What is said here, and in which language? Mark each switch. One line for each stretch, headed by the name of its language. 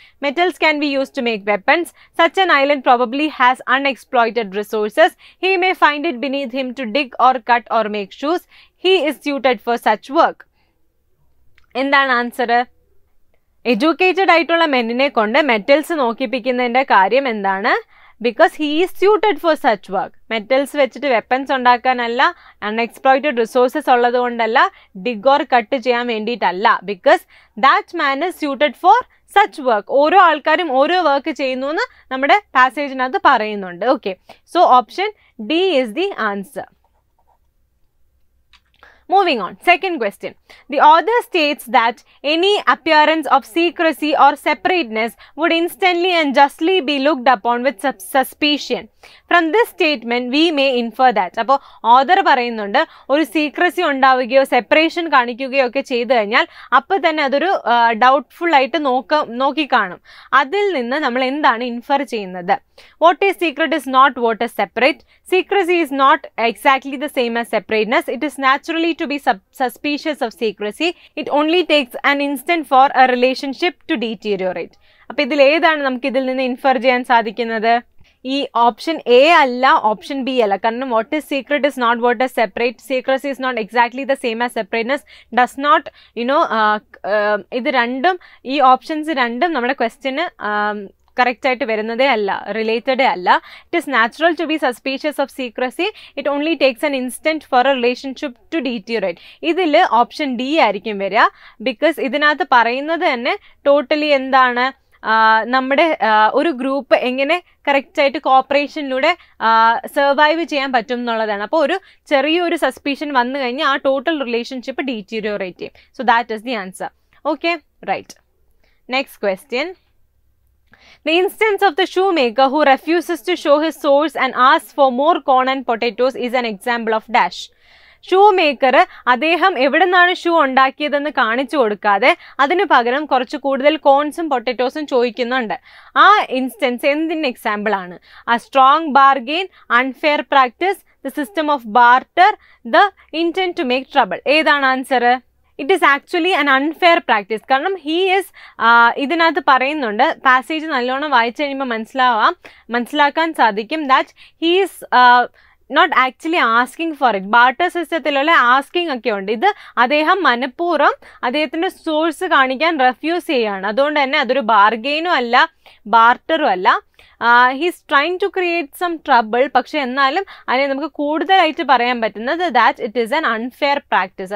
English: Metals can be used to make weapons. Such an island probably has unexploited resources. He may find it beneath him to dig or cut or make shoes. He is suited for such work.
Malayalam: Endaan answer? Educated ആയിട്ടുള്ള മെന്നിനെ കൊണ്ട് metals നോക്കിപ്പിക്കുന്നതിൻ്റെ കാര്യം എന്താണ്?
English: Because he is suited for such work.
Malayalam: Metals വെച്ചിട്ട് weapons ഉണ്ടാക്കാനല്ല, അൺഎക്സ്പ്ലോയിറ്റഡ് resources ഉള്ളത് കൊണ്ടല്ല,
English: dig or cut
Malayalam: ചെയ്യാൻ വേണ്ടിയിട്ടല്ല,
English: Because that man is suited for such work.
Malayalam: ഓരോ ആൾക്കാരും ഓരോ വർക്ക് ചെയ്യുന്നു എന്ന് നമ്മുടെ പാസേജിനകത്ത് പറയുന്നുണ്ട്.
English: Okay, so option D is the answer. Moving on, second question. The author states that any appearance of secrecy or separateness would instantly and justly be looked upon with suspicion. From this statement, we may infer that.
Malayalam: അപ്പൊ author പറയുന്നുണ്ട് ഒരു secrecy ഉണ്ടാവുകയോ separation കാണിക്കുകയോ ഒക്കെ ചെയ്തു കഴിഞ്ഞാൽ അപ്പൊ തന്നെ അതൊരു doubtful ആയിട്ട് നോക്കിക്കാണും. അതിൽ നിന്ന് നമ്മൾ എന്താണ് ഇൻഫർ ചെയ്യുന്നത്?
English: What is secret is not what a separate. Secrecy is not exactly the same as separateness. It is naturally to be suspicious of secrecy. It only takes an instant for a relationship to deteriorate.
Malayalam: അപ്പോൾ ഇതിൽ ഏതാണ് നമുക്ക് ഇതിൽ നിന്ന് infer ചെയ്യാൻ സാധിക്കുന്നത്? ഈ option A അല്ല, ഓപ്ഷൻ ബി അല്ല. കാരണം
English: What is secret is not what a separate secrecy is not exactly the same as separateness does not you know.
Malayalam: ഇത് രണ്ടും, ഈ ഓപ്ഷൻസ് രണ്ടും നമ്മുടെ ക്വസ്റ്റ്യന് കറക്റ്റ് ആയിട്ട് വരുന്നതേ അല്ല, റിലേറ്റഡേ അല്ല.
English: It is natural to be suspicious of secrecy, it only takes an instant for a relationship to deteriorate.
Malayalam: ഇതിൽ ഓപ്ഷൻ ഡി ആയിരിക്കും വരിക, ബിക്കോസ് ഇതിനകത്ത് പറയുന്നത് തന്നെ ടോട്ടലി എന്താണ് നമ്മുടെ ഒരു ഗ്രൂപ്പ് എങ്ങനെ കറക്റ്റായിട്ട് കോപ്പറേഷനിലൂടെ സർവൈവ് ചെയ്യാൻ പറ്റും എന്നുള്ളതാണ്. അപ്പോൾ ഒരു ചെറിയൊരു സസ്പീഷൻ വന്നു കഴിഞ്ഞാൽ ആ ടോട്ടൽ റിലേഷൻഷിപ്പ് ഡീറ്റീരിയറേറ്റ് ചെയ്യും.
English: So that is the answer. Okay, right. Next question. The instance of the shoemaker who refuses to show his soles and asks for more corn and potatoes is an example of dash.
Malayalam: ഷൂമേക്കറ് അദ്ദേഹം എവിടുന്നാണ് shoe ഉണ്ടാക്കിയതെന്ന് കാണിച്ചു കൊടുക്കാതെ അതിന് പകരം കുറച്ച് കൂടുതൽ കോൺസും പൊട്ടറ്റോസും ചോദിക്കുന്നുണ്ട്. ആ ഇൻസ്റ്റൻസ് എന്തിൻ്റെ എക്സാമ്പിളാണ്?
English: A strong bargain, unfair practice, the system of barter, the intent to make trouble.
Malayalam: ഏതാണ് ആൻസറ്?
English: It is actually an unfair practice.
Malayalam: കാരണം
English: he is
Malayalam: ഇതിനകത്ത് പറയുന്നുണ്ട്, പാസേജ് നല്ലോണം വായിച്ചു കഴിയുമ്പോൾ മനസ്സിലാക്കാൻ സാധിക്കും,
English: That he's not actually asking for it.
Malayalam: Barter system ഇല്ല, asking ഒക്കെ ഉണ്ട്. ഇത് അദ്ദേഹം മനഃപൂർവ്വം അദ്ദേഹത്തിൻ്റെ സോഴ്സ് കാണിക്കാൻ റെഫ്യൂസ് ചെയ്യുകയാണ്. അതുകൊണ്ട് തന്നെ അതൊരു ബാർഗെയിനും അല്ല, ബാർട്ടറും അല്ല.
English: He's trying to create some trouble.
Malayalam: പക്ഷേ എന്നാലും അതിനെ നമുക്ക് കൂടുതലായിട്ട് പറയാൻ പറ്റുന്നത്
English: That it is an unfair practice.